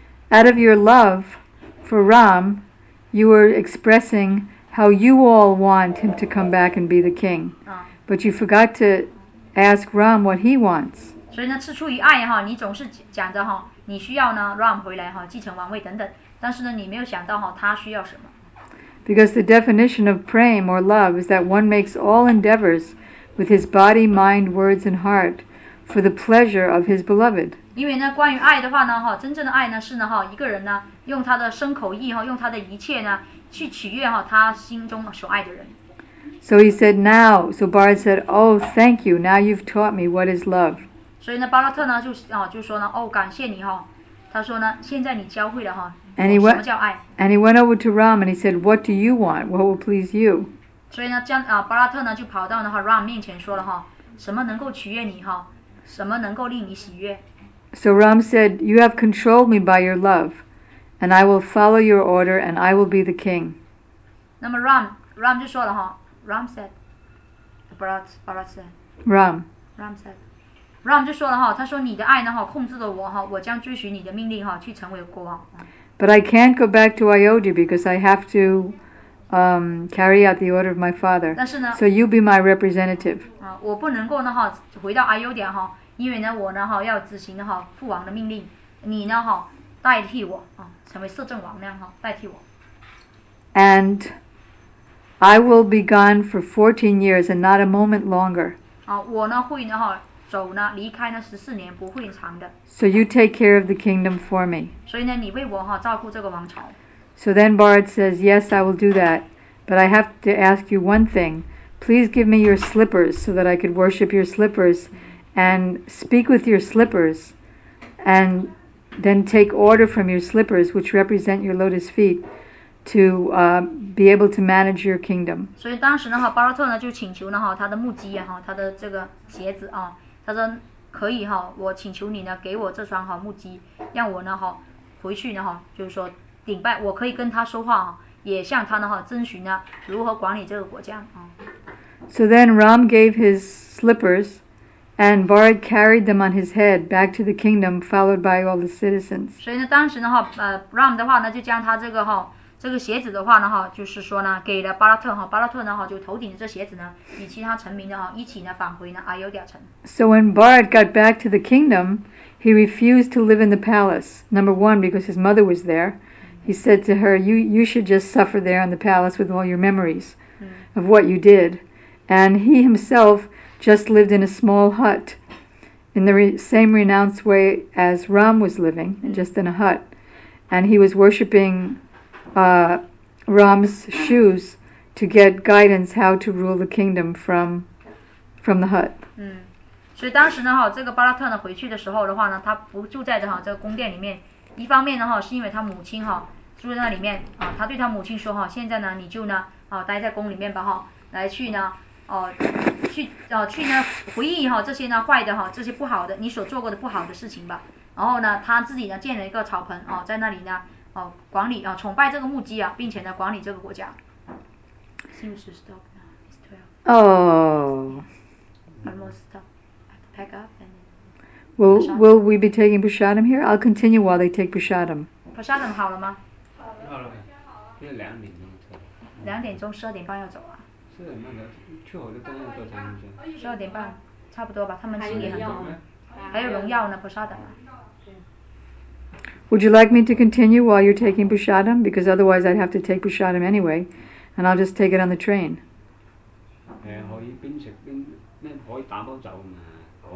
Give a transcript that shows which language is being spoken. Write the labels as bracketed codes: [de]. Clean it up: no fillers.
[en] Out of your love for Ram, you were expressing how you all want him to come back and be the king. But you forgot to ask Ram what he wants. [zh] 所以呢，是出于爱哈，你总是讲着哈。你需要呢 ，Ram 回来哈，继承王位等等。但是呢，你没有想到哈，他需要什么 [en] ？Because the definition of prem or love is that one makes all endeavors with his body, mind, words, and heart for the pleasure of his beloved. [zh] 因为呢，关于爱的话呢，哈，真正的爱呢是呢，哈，一个人呢，用他的身口意哈，用他的一切呢，去取悦哈他心中所爱的人。 [en] So he said now. So Bharat said, "Oh, thank you. Now you've taught me what is love." [zh] 所以呢，巴拉特呢就说呢，哦，感谢你哈、哦。他说呢，现在你教会了哈，什么叫爱。 [en] And he went over to Ram and he said, "What do you want? What will please you?" [zh] 所以呢，巴拉特呢就跑到呢哈 Ram 面前说了哈，什么能够取悦你哈，什么能够令你喜悦。 [en] So Ram said, "You have controlled me by your love, and I will follow your order, and I will be the king." [zh] 那么 Ram 就说了哈 ， [en] Ram said， Bharat said， Ram [zh] said， Ram 就说了哈，他说你的爱呢哈控制了我哈，我将追寻你的命令哈，去成为国王。 [en] But I can't go back to Ayodhya because I have to carry out the order of my father. [zh] 但是呢 [en] ，So you be my representative. [zh] 我不能够呢哈回到 Ayodhya 哈，因为呢我呢哈要执行哈父王的命令，你呢哈代替我啊，成为摄政王那样哈代替我。 [en] And I will be gone for 14 years and not a moment longer. [zh] 我呢会呢哈走呢离开呢十四年不会长的。 [en] So you take care of the kingdom for me. [zh] 所以呢你为我哈照顾这个王朝。 [en] So then Bharat says, yes, I will do that. But I have to ask you one thing. Please give me your slippers so that I could worship your slippers and speak with your slippers and then take order from your slippers, which represent your lotus feet, to be able to manage your kingdom. [zh] 所以当时呢巴拉特呢就请求呢他的木屐他的这个鞋子他说可以我请求你呢给我这双木屐让我呢回去呢就是说顶拜我可以跟他说话也向他呢征询呢如何管理这个国家。 [en] So then Ram gave his slippers and Bharat carried them on his head back to the kingdom followed by all the citizens. [zh] 所以呢当时呢Ram 的话呢就将他这个这个鞋子的话呢就是说呢给了巴拉特巴拉特呢就头顶的这鞋子呢与其他臣民呢一起呢返回呢阿尤迪亚城。 [en] So when Bharat got back to the kingdom, he refused to live in the palace. Number one, because his mother was there. He said to her, you should just suffer there in the palace with all your memories of what you did. And he himself just lived in a small hut in the same renounced way as Ram was living, just in a hut. And he was worshipping Ram's shoes to get guidance how to rule the kingdom from the hut. [zh] 所以当时呢这个巴拉特呢回去的时候的话呢他不住在这个宫殿里面一方面呢是因为他母亲住在那里面他对他母亲说现在呢你就呢待在宫里面吧来去呢去呢回忆这些呢坏的这些不好的你所做过的不好的事情吧然后呢他自己呢建了一个草棚在那里呢管理崇拜这个木屐并且呢管理这个国家 [en] seems to stop now it's oh almost stop pack up and will we be taking prasadam here I'll continue while they take prasadam [zh] prasadam 好了吗好了现在两点钟两点钟十二点半要走啊十二点半去我的工作多长时间十二点半差不多吧他们心里很多还有荣耀呢 prasadam [en] Would you like me to continue while you're taking prasadam? Because otherwise I'd have to take prasadam anyway, and I'll just take it on the train. [zh] 可以边食边，那可以打包走嘛？